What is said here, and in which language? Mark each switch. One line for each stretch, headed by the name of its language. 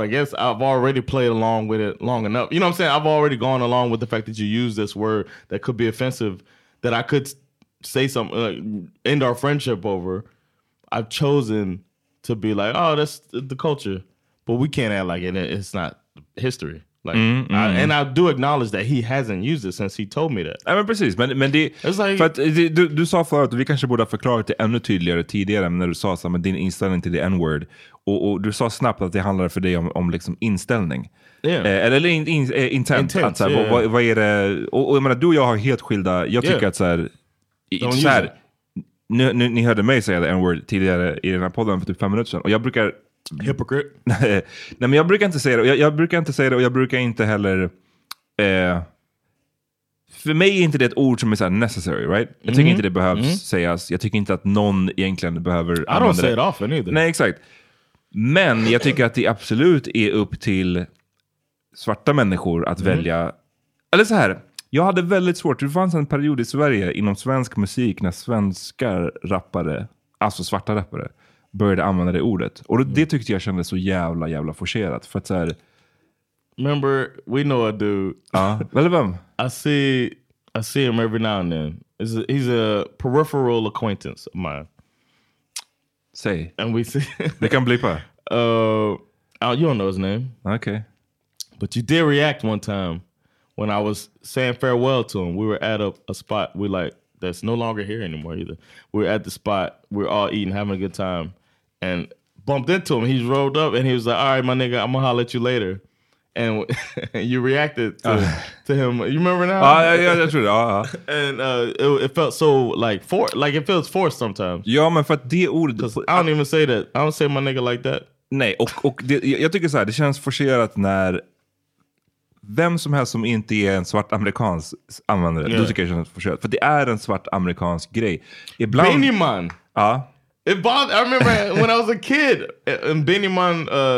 English: I guess I've already played along with it long enough. You know what I'm saying? I've already gone along with the fact that you use this word that could be offensive, that I could say something, like, end our friendship over. I've chosen to be like, oh, that's the culture. But we can't act like it. It's not history. Like, and I do acknowledge that he hasn't used it since he told me that.
Swedish: Ja, men precis, men det,
English: it's like,
Swedish: för att du sa förut, vi kanske borde ha förklarat det ännu tydligare tidigare när du sa så med din inställning till
English: the N-word.
Swedish: Och du sa snabbt att det handlade för dig om liksom inställning.
English: Yeah.
Swedish: Eller intent att, såhär,
English: yeah.
Swedish: vad är det? Och jag menar, du och jag har helt skilda. Jag tycker att såhär, ni hörde mig säga
English: the N-word
Swedish: tidigare i den här podden för typ 5 minuter sedan. Och jag brukar...
English: Hypocrit.
Swedish: Nej, men jag brukar inte säga det. Jag brukar inte säga det och jag brukar inte heller... för mig är inte det ett ord som är såhär
English: necessary, right?
Swedish: Jag tycker inte det behövs sägas. Jag tycker inte att någon egentligen behöver använda det.
English: I don't say it often either.
Swedish: Nej, exakt. Men jag tycker att det absolut är upp till svarta människor att välja... Eller så här. Jag hade väldigt svårt. Det fanns en period i Sverige inom svensk musik när svenskar rappade, alltså svarta rappare, började använda det ordet. Och det tyckte jag kändes så jävla, jävla forcerat. För att så här...
English: Remember, we know a dude.
Swedish: Ja, eller vem?
English: I see him every now and then. He's a peripheral acquaintance of mine. Say. And we see...
Swedish: Det kan blipa.
English: You don't know his name. Okay. But you did react one time when I was saying farewell to him. We were at a spot. We like that's no longer here anymore either. We're at the spot. We're all eating, having a good time. And bumped into him. He's rolled up and he was like, all right, my nigga, I'm going to holler at you later. And you reacted to him. You remember now? Yeah, that's true. And it felt so like forced. Like it feels forced sometimes.
Swedish: Ja, men för att det ordet...
English: Cause I don't even say that. I don't say my nigga like that.
Swedish: Nej, och det, jag tycker så här, det känns forcerat när vem som helst som inte är en svart amerikansk använder det.
English: Yeah.
Swedish: Du tycker det känns forcerat. För det är en svart amerikansk grej. Ibland, Benny Man! Ja.
English: I remember when I was a kid and Benny Man...